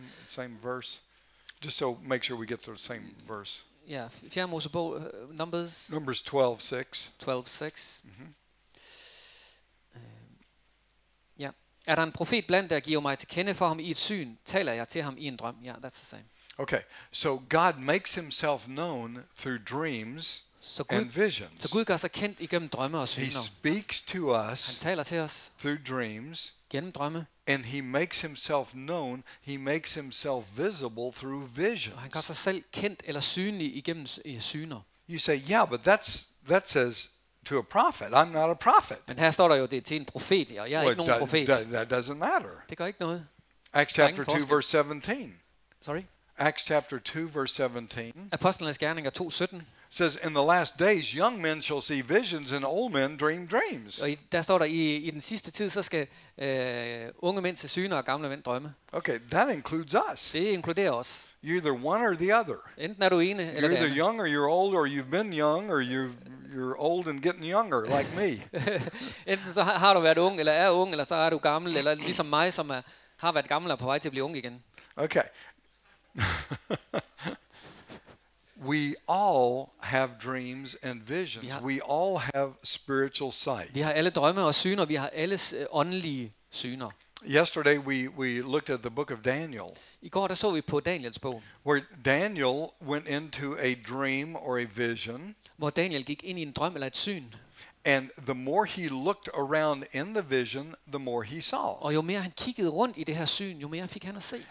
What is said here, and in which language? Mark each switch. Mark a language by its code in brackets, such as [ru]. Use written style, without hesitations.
[en] Same verse. Just so make sure we get the same verse. [da] Yeah, Fjerde Mosebog, Numbers 12:6. 12:6. Er der en profet blandt der giver mig til kende for ham i et syn, taler jeg til ham i en drøm. Ja, [en] yeah, that's the same. Okay. So God makes himself known through dreams and visions. [da] Så Gud gør sig kendt igennem drømme og syner. [en] He speaks to us. [da] Han taler til os. [en] Through dreams. [da] Gennem drømme. [en] And he makes himself known, he makes himself visible through visions. [da] Og han gør sig selv kendt eller synlig igennem syner. [en] You say, "Yeah, but that says to a prophet. I'm not a prophet." [da] Men her står der jo det til en profet, og jeg er ikke nogen profet. [en] That doesn't matter. [da] Det gør ikke noget. [en] Acts chapter 2 verse 17. Sorry? Acts chapter 2 verse 17. [da] Apostlenes gerninger 2:17. [en] says in the last days young men shall see visions and old men dream dreams. [da] Og der står der i den sidste tid så skal unge mænd se syner og gamle mænd drømme. [en] Okay, that includes us. [da] Det inkluderer os. [en] You're either one or the other. [da] Enten er du ene eller [en] you're either young or you're old or you've been young or you're old and getting younger like me. [da] Enten så har du været ung eller er ung eller så er du gammel eller ligesom mig som er, har været gammel og på vej til at blive ung igen. [en] Okay. We all have dreams and visions. We all have spiritual sight. [da] Vi har alle drømme og syner. Vi har alle åndelige syner. [en] Yesterday we looked at the book of Daniel. [da] I går der så vi på Daniels bog. [en] Where Daniel went into a dream or a vision. [da] Hvor Daniel gik ind i en drøm eller et syn. [en] And the more he looked around in the vision, the more he saw. [da] Og jo mere han kiggede rundt i det her syn, jo mere fik han at se.